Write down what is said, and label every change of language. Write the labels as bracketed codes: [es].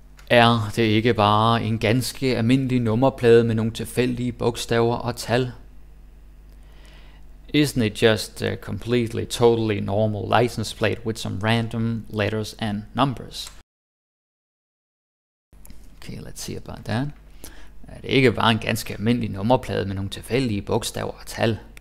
[da] Er det ikke bare en ganske almindelig nummerplade med nogle tilfældige bogstaver og tal? [en] Isn't it just a completely, totally normal license plate with some random letters and numbers? Okay, let's see about that. [da] Er det ikke bare en ganske almindelig nummerplade med nogle tilfældige bogstaver og tal?